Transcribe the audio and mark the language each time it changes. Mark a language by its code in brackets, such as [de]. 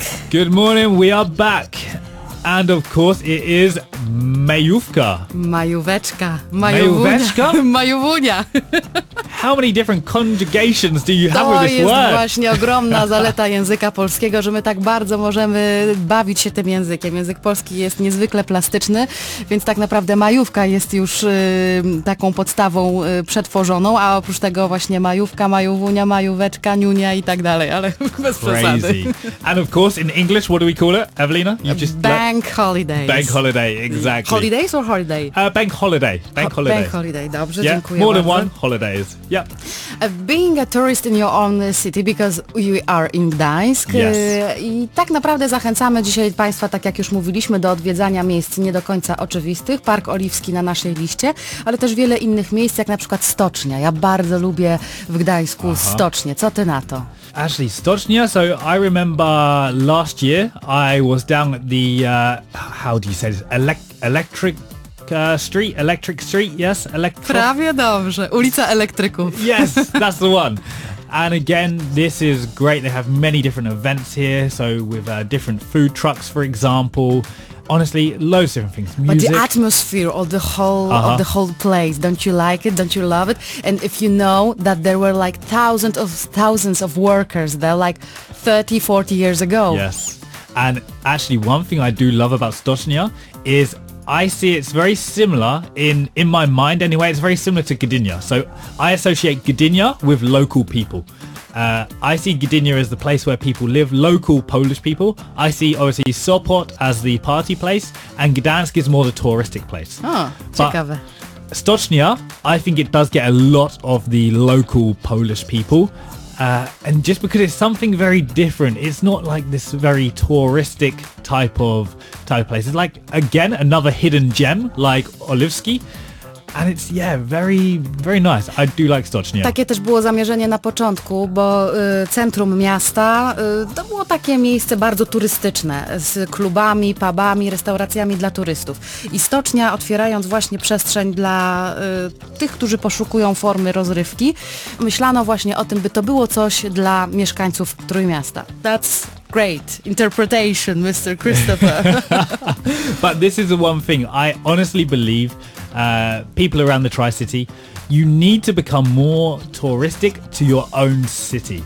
[en] Good morning, we are back. And of course, it is Majówka. [pl] Majóweczka. Majóweczka? Majówunia. [en] How many different conjugations do you have to with this word? [pl] To jest właśnie ogromna zaleta języka polskiego, że my tak bardzo możemy bawić się tym językiem. Język polski jest niezwykle plastyczny, więc tak naprawdę majówka jest już taką podstawą przetworzoną, a oprócz tego właśnie majówka, majówunia, majóweczka, niunia i tak dalej, ale bez przesady. [en] And of course, in English, what do we call it, Evelina? Bank holiday. Bank holiday, exactly. Holidays or holiday? Bank holiday. Bank holiday. Bank holiday, [pl] dobrze, [en] yeah, [pl] dziękuję [en] more [pl] bardzo. [en] Than one holidays. Yeah. Being a tourist in your own city, because you are in Gdańsk. Yes. [pl] I tak naprawdę zachęcamy dzisiaj Państwa, tak jak już mówiliśmy, do odwiedzania miejsc nie do końca oczywistych. Park Oliwski na naszej liście, ale też wiele innych miejsc, jak na przykład stocznia. Ja bardzo lubię w Gdańsku stocznię. Co ty na to? [en] Actually, stocznia, so I remember last year I was down at the, how do you say this, electric... street, electric street, yes, electric. [pl] Prawie dobrze, ulica elektryków. [en] Yes, that's the one. And again, this is great. They have many different events here, so with different food trucks, for example. Honestly, loads of different things. Music. But the atmosphere of the whole of the whole place, don't you like it? Don't you love it? And if you know that there were like thousands of workers there, like 30, 40 years ago. Yes. And actually, one thing I do love about Stocznia is I see it's very similar in my mind anyway, it's very similar to Gdynia. So I associate Gdynia with local people. I see Gdynia as the place where people live, local Polish people. I see obviously Sopot as the party place and Gdansk is more the touristic place. Oh, but [pl] ciekawe. [en] Stocznia, I think it does get a lot of the local Polish people. And just because it's something very different, it's not like this very touristic type of place. It's like, again, another hidden gem, like Oliwski. And it's, yeah, very, very nice. I do like Stocznia. [pl] Takie też było zamierzenie na początku, bo centrum miasta to było takie miejsce bardzo turystyczne z klubami, pubami, restauracjami dla turystów. I Stocznia, otwierając właśnie przestrzeń dla tych, którzy poszukują formy rozrywki, myślano właśnie o tym, by to było coś dla mieszkańców Trójmiasta. [en] That's great interpretation, Mr. Christopher. But this is the one thing. I honestly believe... people around the Tri-City, you need to become more touristic to your own city.